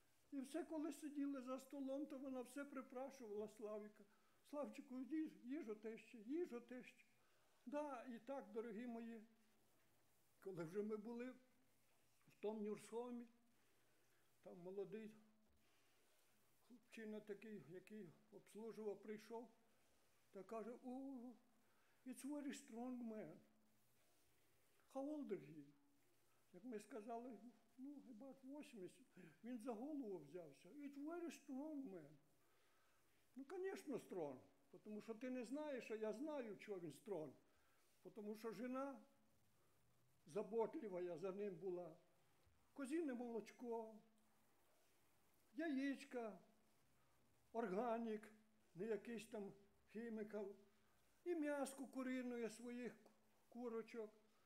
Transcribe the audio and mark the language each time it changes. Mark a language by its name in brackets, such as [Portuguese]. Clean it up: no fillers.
[Ukrainian] І все, коли сиділи за столом, то вона все припрашувала Славіка. Славчику, їжу те ще. Да, і так, дорогі мої, коли вже ми були в тому Нюрсхомі, там молодий чинно такий, який обслужував, прийшов та каже: «О, [English] it's very strong man. How old are he?» [Ukrainian] Як ми сказали, ну, хіба 80, він за голову взявся. [English] «It's very strong man». [Ukrainian] Ну, звісно, strong, тому що ти не знаєш, а я знаю, чого він strong. Тому що жена заботлива за ним була. Козине молочко, яєчка, органік, не якийсь там хімікал, і м'яско куриною своїх курочок.